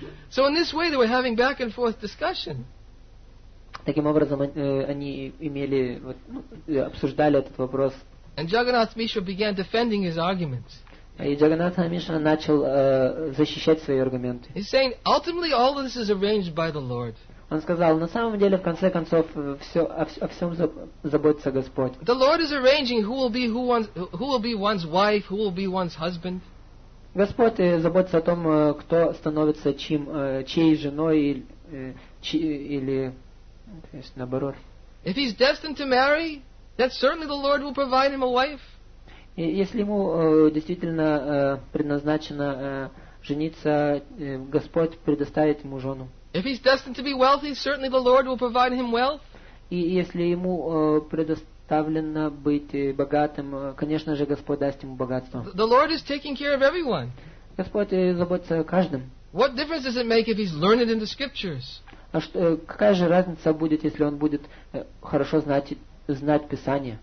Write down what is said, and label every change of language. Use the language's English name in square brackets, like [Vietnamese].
[English] So in this way they were having back and forth discussion. [Russian] Таким образом они имели обсуждали этот вопрос. [English] And Jagannath Mishra began defending his arguments. [Russian] И Джаганнатха Мишра начал защищать свои аргументы. [English] He's saying, ultimately, all of this is arranged by the Lord. [Russian] Он сказал, на самом деле, в конце концов, все о всем заботится Господь. [English] The Lord is arranging who will be one's wife, who will be one's husband. [Russian] Господь заботится о том, кто становится чьей женой или то есть наоборот. [English] If he's destined to marry, then certainly the Lord will provide him a wife. [Russian] Если ему действительно предназначено жениться, Господь предоставит ему жену. [English] If he's destined to be wealthy, certainly the Lord will provide him wealth. [Russian] И если ему предоставлено быть богатым, конечно же Господь даст ему богатство. [English] The Lord is taking care of everyone. [Russian] Господь заботится о каждом. [English] What difference does it make if he's learned in the scriptures? [Russian] А что, какая же разница будет, если он будет хорошо знать Писание?